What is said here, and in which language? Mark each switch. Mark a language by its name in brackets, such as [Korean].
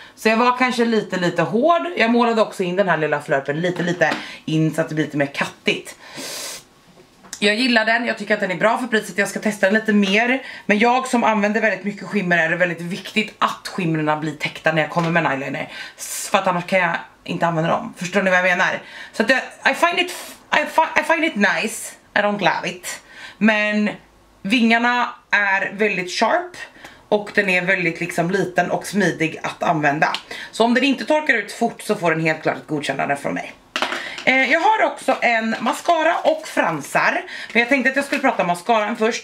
[Swedish] Så jag var kanske lite hård. Jag målade också in den här lilla flörpen lite in så att det blir lite mer kattigt. Jag gillar den, jag tycker att den är bra för priset, jag ska testa den lite mer. Men jag som använder väldigt mycket skimmer, är det väldigt viktigt att skimrarna blir täckta när jag kommer med en eyeliner. För att annars kan jag inte använda dem, förstår ni vad jag menar? Så att [English] I find it nice, I don't love it. [Swedish] Men vingarna är väldigt sharp och den är väldigt liksom liten och smidig att använda. Så om den inte torkar ut fort så får den helt klart ett godkännande från mig. Jag har också en mascara och fransar. Men jag tänkte att jag skulle prata om mascaran först.